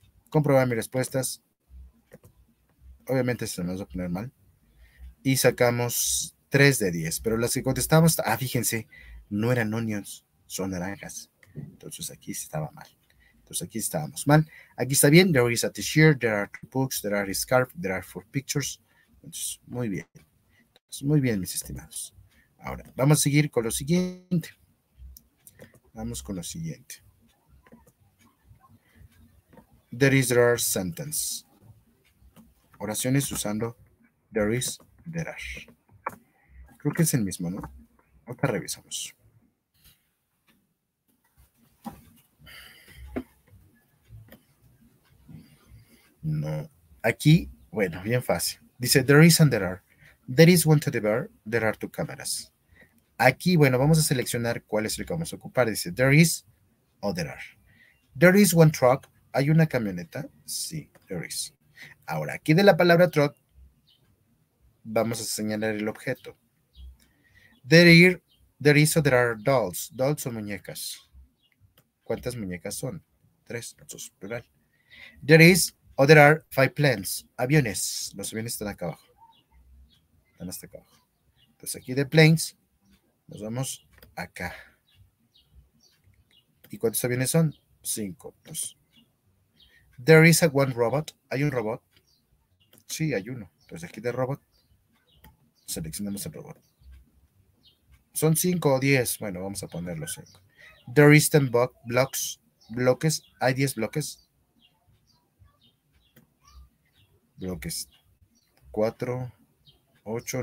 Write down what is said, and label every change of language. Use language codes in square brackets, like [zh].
[es] Comprobar mis respuestas. Obviamente se nos va a poner mal. Y sacamos 3 de 10. Pero las que contestamos, fíjense, no eran onions, son naranjas. Entonces aquí estaba mal. Entonces aquí estábamos mal. Aquí está bien. [en] There is a t-shirt, there are two books, there are a scarf, there are four pictures. [es] Entonces, muy bien. Entonces, muy bien, mis estimados. Ahora, vamos a seguir con lo siguiente. Vamos con lo siguiente. [en] There is a sentence. [es] Oraciones usando there is. There are. Creo que es el mismo, ¿no? Ahora revisamos. No. Aquí, bueno, bien fácil. [en] Dice, there is and there are. There is one teddy bear, there are two cameras. [es] Aquí, bueno, vamos a seleccionar cuál es el que vamos a ocupar. Dice, there is o there are. [en] There is one truck. [es] ¿Hay una camioneta? Sí, [en] there is. [es] Ahora, aquí de la palabra truck, vamos a señalar el objeto. There is or there are dolls. Dolls son muñecas. ¿Cuántas muñecas son? Tres, eso es plural. [en] There is or there are five planes. [es] Aviones. Los aviones están acá abajo. Están hasta acá abajo. Entonces aquí de planes, nos vamos acá. ¿Y cuántos aviones son? Cinco. [en] Entonces, there is a one robot. [es] ¿Hay un robot? Sí, hay uno. Entonces aquí de robot, seleccionamos el robot. Son 5 o 10. Bueno, vamos a ponerlo 5. [en] There is 10 blocks. [es] Bloques. Hay 10 bloques. Bloques. 4, 8.